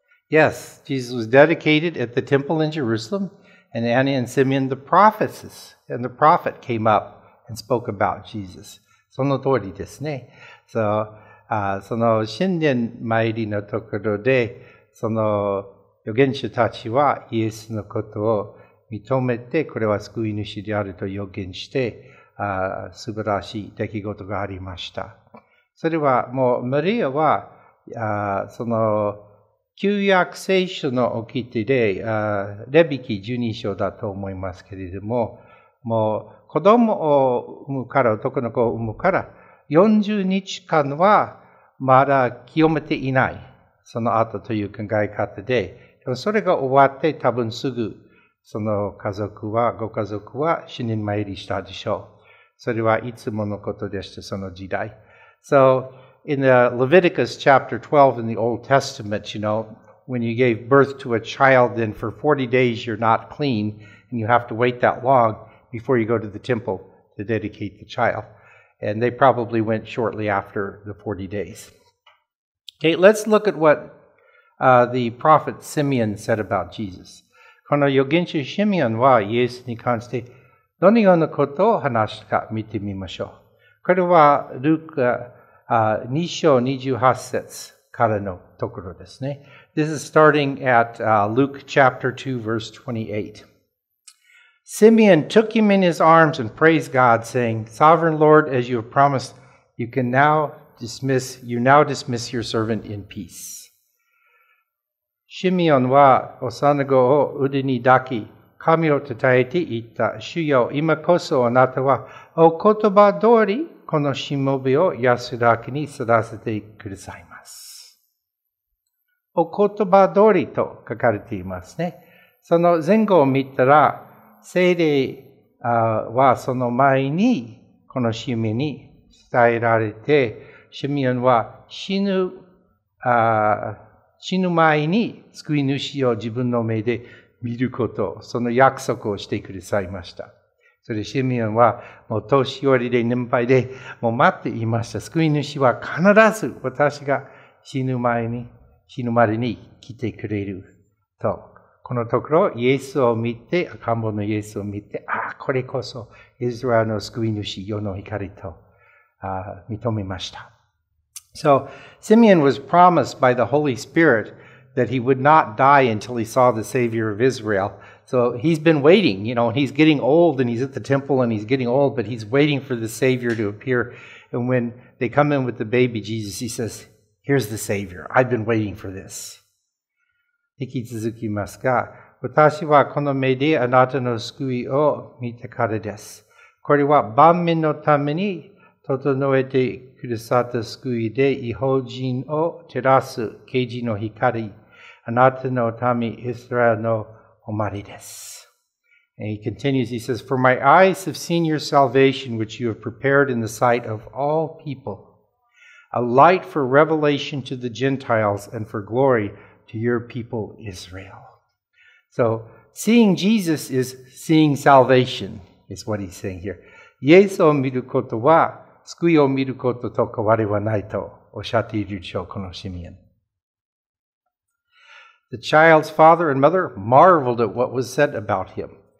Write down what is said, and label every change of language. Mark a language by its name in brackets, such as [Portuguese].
[English] Yes, Jesus was dedicated at the temple in Jerusalem, and Anna and Simeon, the prophets and the prophet came up and spoke about Jesus. [Japanese] その通りですね。 So, その新年参りのところで、その預言者たちはイエスのことを認めて、これは救い主であると預言して、素晴らしい出来事がありました。それはもうマリアは、その旧約聖書の掟で、レビ記12章だと思いますけれども、もう子供を産むから、男の子を産むから、40日間はまだ清めていない、その後という考え方で、でもそれが終わって多分すぐ、その家族は、ご家族は死に参りしたでしょう。それはいつものことでした、その時代。 [English] So,In the Leviticus chapter 12 in the Old Testament, you know, when you gave birth to a child, then for 40 days you're not clean and you have to wait that long before you go to the temple to dedicate the child. And they probably went shortly after the 40 days. Okay, let's look at what the prophet Simeon said about Jesus. [Japanese] この預言者シミオンはイエスに関してどのようなことを話したか見てみましょう。これはルカ2章28節からのところですね。 [English] This is starting at Luke chapter 2 verse 28. Simeon took him in his arms and praised God, saying, Sovereign Lord, as you have promised, you now dismiss your servant in peace. [Japanese] シミオンは幼子を腕に抱き、神をたたえて言った。主よ、今こそあなたはお言葉通り、このしもべを安らかに育ててくださいます。お言葉通りと書かれていますね。その前後を見たら、聖霊はその前にこのシミオンに伝えられて、シミオンは死ぬ前に救い主を自分の目で見ること、その約束をしてくださいました。それシミオンはもう年寄りで年配でもう待っていました。救い主は必ず私が死ぬまでに来てくれると。このところイエスを見て、赤ん坊のイエスを見て、ああ、これこそイスラエルの救い主、世の光と認めました。 [English] So, Simeon was promised by the Holy Spirit that he would not die until he saw the Savior of Israel. So he's been waiting, you know, he's getting old and he's at the temple and he's getting old, but he's waiting for the Savior to appear. And when they come in with the baby Jesus, he says, Here's the Savior. I've been waiting for this. [Japanese] 引き続きますが、私はこの目であなたの救いを見たからです。これは万民のために整えてくださった救いで、異邦人を照らす啓示の光、あなたの民イスラエルの誉れです。 [English] And he continues, he says, For my eyes have seen your salvation, which you have prepared in the sight of all people, a light for revelation to the Gentiles and for glory to your people Israel. So, seeing Jesus is seeing salvation, is what he's saying here. [Japanese] イエスを見ることは救いを見ることと変わりはないとおっしゃっているでしょう、このシミアン。 [English] The child's father and mother marveled at what was said about him.